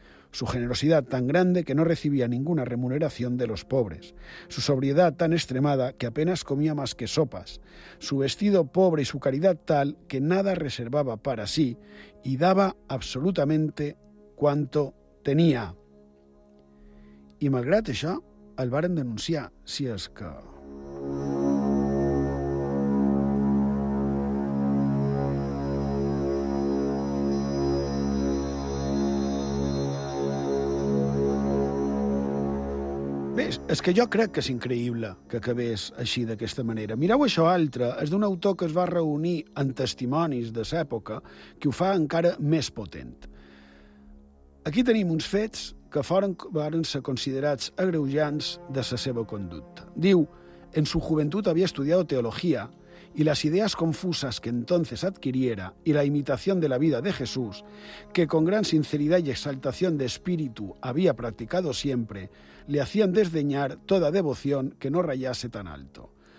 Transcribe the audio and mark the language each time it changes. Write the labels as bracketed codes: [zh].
[es] Su generosidad tan grande que no recibía ninguna remuneración de los pobres. Su sobriedad tan extremada que apenas comía más que sopas. Su vestido pobre y su caridad tal que nada reservaba para sí y daba absolutamente cuanto tenía. [ca] I malgrat això, el varen denunciar, si és que... És que jo crec que és increïble que acabés així d'aquesta manera. Mireu això altre, és d'un autor que es va reunir en testimonis de l'època que ho fa encara més potent. Aquí tenim uns fets que varen ser considerats agreujants de la seva conducta. Diu, [es] en su juventud había estudiado teología y las ideas confusas que entonces adquiriera y la imitación de la vida de Jesús, que con gran sinceridad y exaltación de espíritu había practicado siempre, le hacían desdeñar toda devoción que no rayase tan alto.